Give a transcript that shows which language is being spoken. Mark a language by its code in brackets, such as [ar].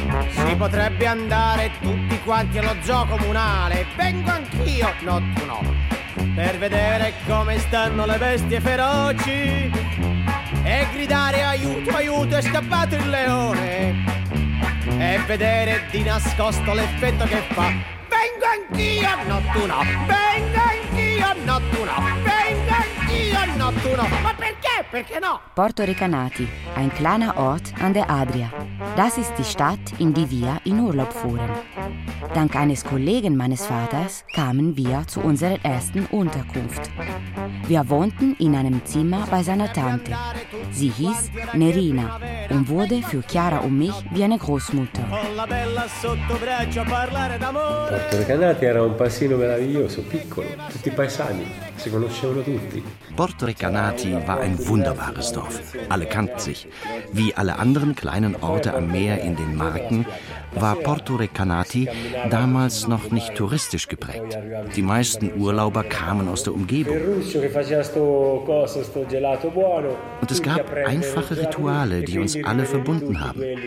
[it] Si potrebbe andare tutti quanti allo zoo comunale, vengo anch'io, no tu no, per vedere come stanno le bestie feroci e gridare aiuto, aiuto, è scappato il leone e vedere di nascosto l'effetto che fa. Vengo anch'io, no tu no, vengo anch'io, no tu no, vengo anch'io, no tu no. Ma perché? Perché no? [de] Porto Recanati, ein kleiner Ort an der Adria. Das ist die Stadt, in die wir in Urlaub fuhren. Dank eines Kollegen meines Vaters kamen wir zu unserer ersten Unterkunft. Wir wohnten in einem Zimmer bei seiner Tante. Sie hieß Nerina und wurde für Chiara und mich wie eine Großmutter. [it] Porto Recanati era un paesino meraviglioso, piccolo. Tutti paesani, si conoscevano tutti. [de] Porto Recanati war ein wunderbares Dorf. Alle kannten sich. Wie alle anderen kleinen Orte am Meer in den Marken, war Porto Recanati damals noch nicht touristisch geprägt. Die meisten Urlauber kamen aus der Umgebung. Und es gab einfache Rituale, die uns alle verbunden haben.